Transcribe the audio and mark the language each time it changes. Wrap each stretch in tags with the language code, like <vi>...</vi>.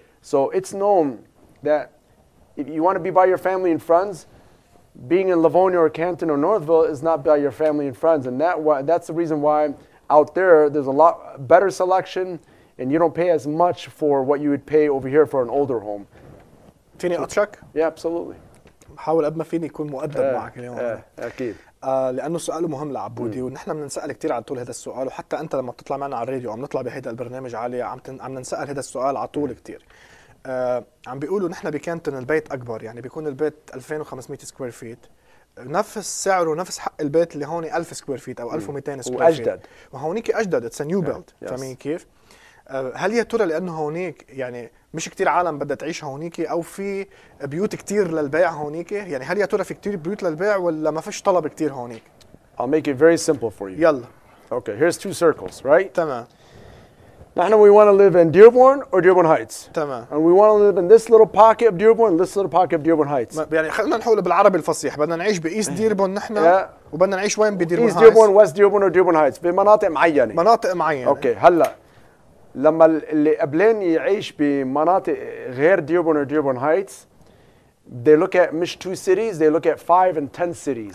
<en>So it's known that if you want to be by your family and friends, being in Livonia or Canton or Northville is not by your family and friends. And that's the reason why out there, there's a lot better selection and you don't pay as much for what you would pay over here for an older home.</en> <ar>فيني أترك؟</ar> <en>Yeah, absolutely.</en> <ar>حاول قد ما فيني يكون مؤدب معك اليوم. أكيد. لأنه سؤال مهم لعبودي ونحن بننسأل كتير على طول هذا السؤال, وحتى أنت لما بتطلع معنا على الراديو عم نطلع بهذا البرنامج عالي عم ننسأل هذا السؤال على طول كتير. عم بيقولوا نحن بكانتون البيت أكبر, يعني بيكون البيت 2500 سكوير فيت. نفس سعره نفس حق البيت اللي هوني 1000 سكوير فيت أو 1200 سكوير فيت. وأجدد. وهونيك أجدد,</ar> <en>it's a new build.</en> <ar>فاهمين كيف؟ هل يا ترى لانه هونيك يعني مش كتير عالم بدها تعيش هونيك, او في بيوت كتير للبيع هونيك؟ يعني هل يا ترى في كتير بيوت للبيع ولا ما فيش طلب كتير هونيك؟</ar> <en>I'll make it very simple for you.</en> <ar>يلا.</ar> <en>Okay, here's two circles, right?</en> <ar>تمام.</ar> <en>نحن we want to live in Dearborn or Dearborn Heights.</en> <ar>تمام.</ar> <en>And we want to live in this little pocket of Dearborn, this little pocket of Dearborn Heights.</en> <ar>يعني خلينا نحول بالعربي الفصيح، بدنا نعيش بإيست ديربون نحن وبدنا نعيش وين بديربون هايتس؟ إيست ديربون، ويست ديربون، أو ديربون هايتس، بمناطق معينة. مناطق معينة. أوكي، هلا لما اللي قبلين يعيش بمناطق غير ديربون أو ديربون هايتس،</ar> <en>they look at</en> <ar>مش two cities،</ar> <en>they look at five and ten cities.</en>